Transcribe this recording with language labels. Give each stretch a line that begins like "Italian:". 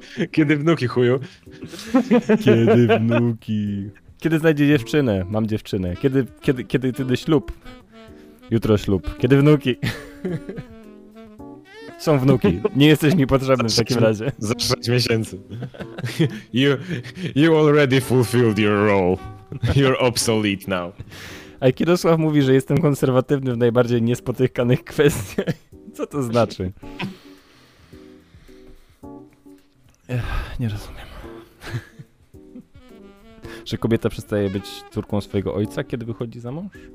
Polish: Kiedy wnuki, chuju. Kiedy wnuki. Kiedy znajdzie dziewczynę? Mam dziewczynę. Kiedy ślub? Jutro ślub. Kiedy wnuki? Są wnuki. Nie jesteś mi potrzebny w takim razie. Za 6 miesięcy.
English: You already fulfilled your role. You're obsolete now.
Polish: A Kirosław mówi, że jestem konserwatywny w najbardziej niespotykanych kwestiach. Co to znaczy? Nie rozumiem. Że kobieta przestaje być córką swojego ojca, kiedy wychodzi za mąż?